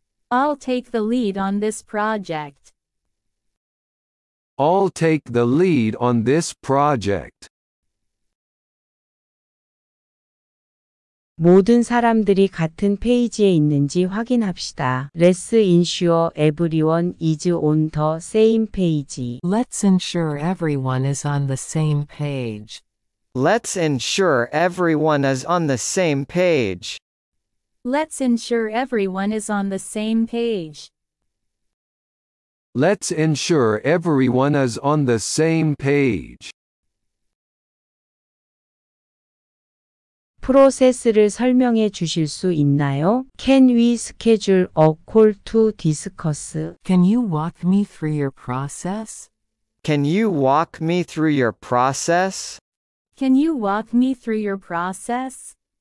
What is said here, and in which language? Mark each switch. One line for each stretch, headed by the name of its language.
English: I'll take the lead on this project. I'll take the lead on this project.
Korean: 모든 사람들이 같은 페이지에 있는지 확인합시다.
English: Let's ensure everyone is on the same page. Let's ensure everyone is on the same page. Let's ensure everyone is on the same page. Let's ensure everyone is on the same page. Let's ensure everyone is on the same page.
Korean: 프로세스를 설명해 주실 수 있나요?
English: Can we schedule a call to discuss? Can you walk me through your process? Can you walk me through your process? Can you walk me through your process?